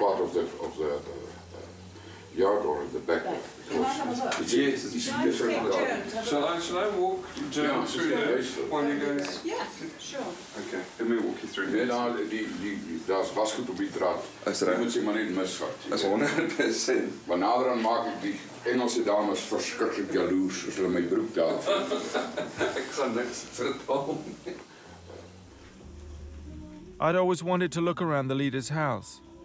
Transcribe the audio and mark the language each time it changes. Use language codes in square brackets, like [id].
[en] Part of the yard or in the back. Can I have a look? It's a different garden. Shall I walk through the place while you guys? Yeah, sure. Okay, let me walk you through. Yeah, now, there's a basket to be drawn. That's right. You can't even miss it. That's 100%. But later on, I'll make the [nl] Engelse dames verschrikkelijk jaloers als ze mijn broek daar. Ik ga niks vertellen. [en] I'd always wanted to look around the leader's house.